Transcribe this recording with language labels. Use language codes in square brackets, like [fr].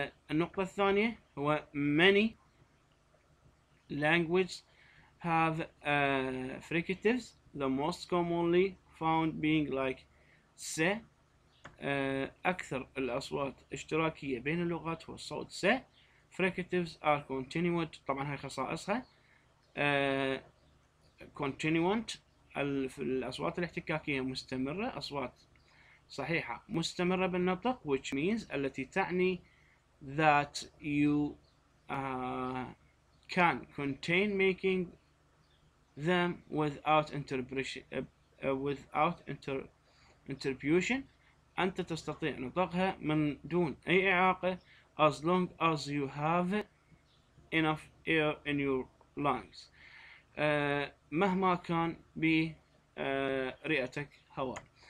[ar] النقطة الثانية هو [en] many languages have fricatives the most commonly found being like [ar] س، أكثر الأصوات اشتراكية بين اللغات هو صوت س. [en] Fricatives are continuant، [ar] طبعا هاي خصائصها [en] continuant [ar] الأصوات الاحتكاكية مستمرة، أصوات صحيحة مستمرة بالنطق [en] which means [ar] التي تعني [en] that you can contain making them without interruption. [ar] أنت تستطيع نطقها من دون أي إعاقة [en] as long as you have enough air in your lungs، [ar] مهما كان برئتك هواء.